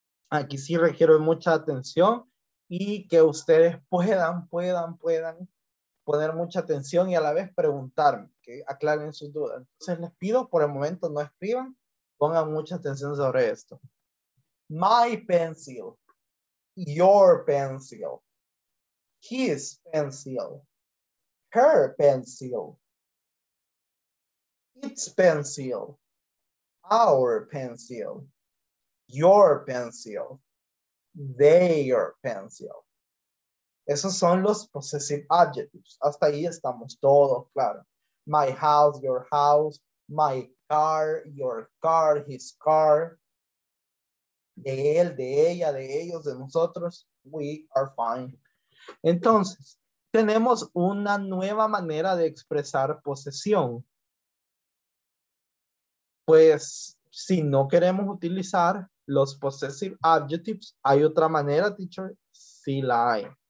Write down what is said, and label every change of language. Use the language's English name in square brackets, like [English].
[Spanish] Aquí sí requiero mucha atención y que ustedes puedan poner mucha atención y a la vez preguntarme, que aclaren sus dudas. Entonces les pido, por el momento no escriban, pongan mucha atención sobre esto. [English] My pencil, your pencil, his pencil, her pencil, its pencil, our pencil, your pencil, their pencil. [Spanish] Esos son los possessive adjectives. Hasta ahí estamos todos, claro. [English] My house, my car, your car, his car. [Spanish] De él, de ella, de ellos, de nosotros. [English] We are fine. [Spanish] Entonces, tenemos una nueva manera de expresar posesión. Pues, si no queremos utilizar los possessive adjectives, hay otra manera, teacher, sí la hay.